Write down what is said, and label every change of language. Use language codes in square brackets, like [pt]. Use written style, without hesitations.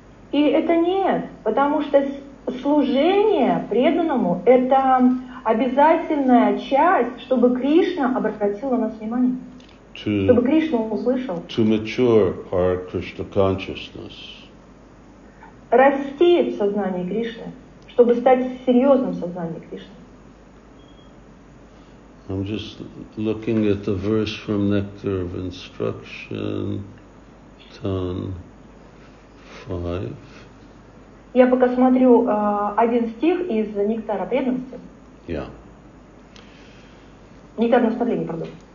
[ru] И это нет, потому что служение преданному — это обязательная часть, чтобы Кришна обратил на нас внимание, чтобы Кришна услышал. [en] To mature our Krishna consciousness. [ru] Расти в сознании Кришны, чтобы стать серьезным сознанием Кришны. [en] I'm just looking at the verse from Nectar of Instruction, Tan 5. [ru] Я пока смотрю один стих из Нектара преданности. [en] Yeah. [ru] Нектар наставления, пардон.